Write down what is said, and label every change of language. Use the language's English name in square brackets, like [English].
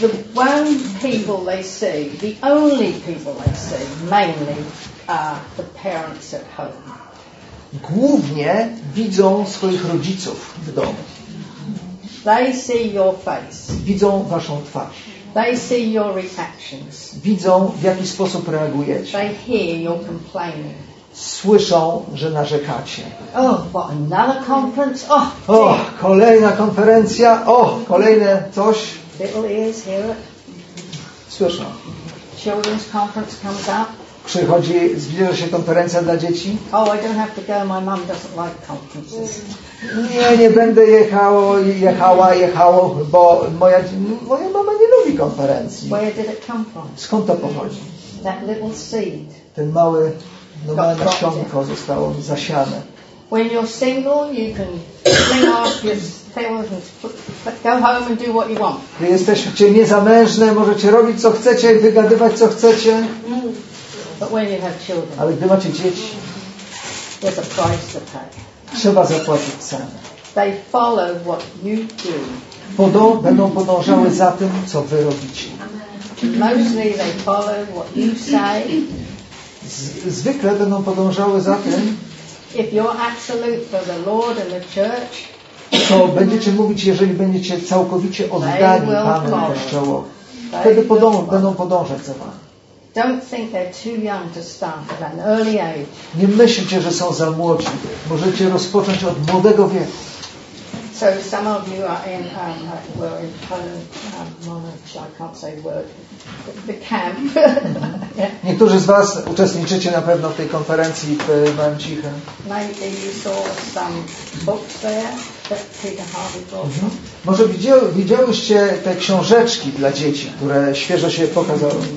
[English] The one people they see, the only people they see, mainly, are the parents at home. [Polish] Głównie widzą swoich rodziców w domu. [English] They see your face. [Polish] Widzą waszą twarz. [English] They see your reactions. [Polish] Widzą, w jaki sposób reagujecie. [English] They hear your complaining. [Polish] Słyszą, że narzekacie. [English] Oh, what another conference? Oh, [Polish] oh, kolejna konferencja. Oh, kolejne coś. [English] Little ears hear it. [Polish] Słyszą. [English] Children's conference comes up. [Polish] Przychodzi, zbliża się konferencja dla dzieci. [English] Oh, I don't have to go. My mom doesn't like conferences. [Polish] Nie będę jechała, bo moja mama nie lubi konferencji. [English] Where did it come from? [Polish] Skąd to pochodzi? [English] That little seed. [Polish] Ten mały, normalne nasionko zostało zasiane. [English] When you're single, you can fling off your feathers and go home and do what you want. [Polish] Gdy jesteście niezamężne, możecie robić co chcecie, wygadywać co chcecie. [English] But when you have children, [Polish] ale gdy macie dzieci, [English] there's a price to pay. [Polish] Trzeba zapłacić cenę. [English] They follow what you do. [Polish] Będą podążały za tym, co wy robicie. [English] Mostly they follow what you say. [Polish] Zwykle będą podążały za tym, [English] if you're absolute for the Lord and the church, [Polish] co będziecie mówić, jeżeli będziecie całkowicie oddani Panu Kościołowi. Wtedy będą podążać za wami. [English] Don't think they're too young to start at an early age. [Polish] Nie myślcie, że są za młodzi. Możecie rozpocząć od młodego wieku. [English] So some of you are in, were in Poland, I can't say word, the camp. [Polish] Niektórzy z was uczestniczycie na pewno w tej konferencji w Mancichem. [English] Maybe you saw some books there that Peter Harvey brought. Mm-hmm. [Polish] Może widziałyście te książeczki dla dzieci, które świeżo się pokazały.